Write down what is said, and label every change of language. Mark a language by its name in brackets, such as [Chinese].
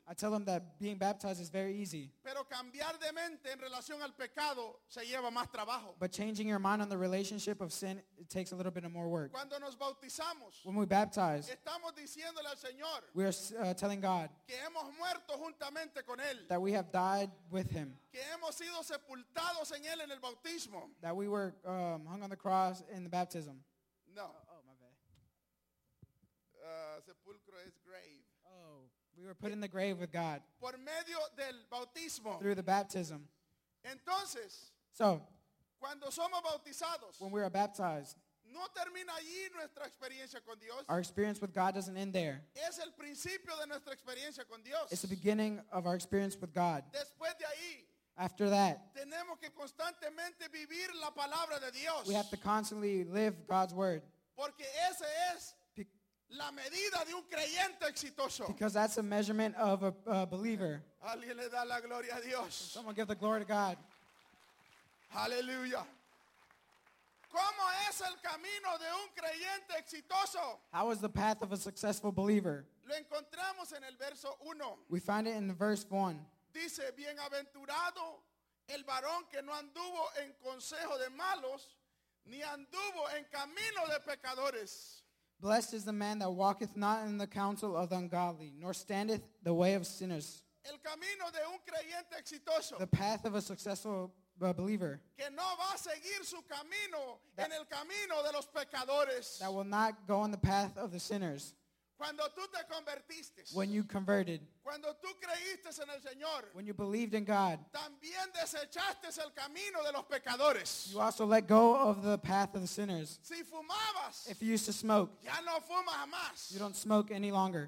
[English] I tell them that being baptized is very easy. [Spanish] Pero cambiar de mente en relación al pecado se lleva más trabajo. [English] But changing your mind on the relationship of sin, it takes a little bit of more work. [Spanish] Cuando nos bautizamos, [English] when we baptize, [Spanish] estamos diciéndole al Señor, [English] we are telling God [Spanish] que hemos muerto juntamente con él, [English] that we have died with him, [Spanish] que hemos sido sepultados en él en el bautismo, [English] that we were hung on the cross in the baptism. [Spanish] No. [English] Oh, my bad. Sepulcro is grave. Oh, we were put in the grave with God. [Spanish] Por medio del bautismo. [English] Through the baptism. [Spanish] Entonces, [English] so, [Spanish] cuando somos bautizados, [English] when we are baptized, [Spanish] no termina allí nuestra experiencia con Dios. [English] Our experience with God doesn't end there. [Spanish] Es el principio de nuestra experiencia con Dios. [English] It's the beginning of our experience with God. [Spanish] Después de ahí, [English] after that, [Spanish] tenemos que constantemente vivir la palabra de Dios. [English] We have to constantly live God's word. [Spanish] Porque ese es la medida de un creyente exitoso. [English] Because that's a measurement of a believer. [Spanish] Alguien le da la gloria a Dios. [English] Someone give the glory to God. [Spanish] Aleluya. ¿Cómo es el camino de un creyente exitoso? [English] How is the path of a successful believer? [Spanish] Lo encontramos en el verso 1. [English] We find it in verse 1. [Spanish] Dice, bienaventurado el varón que no anduvo en consejo de malos, ni anduvo en camino de pecadores. [English] Blessed is the man that walketh not in the counsel of the ungodly, nor standeth the way of sinners. [Spanish] El camino de un creyente exitoso. [English] The path of a successful believer. [Spanish] Que no va a seguir su camino en el camino de los pecadores. [English] That will not go on the path of the sinners. [Spanish] Cuando tú te convertiste. [English] When you converted. [Spanish] Cuando tú creíste en el Señor. [English] When you believed in God. [Spanish] También desechaste el camino de los pecadores. [English] You also let go of the path of the sinners. [Spanish] Si fumabas. [English] If you used to smoke. [Spanish] Ya no fumas más. [English] You don't smoke any longer.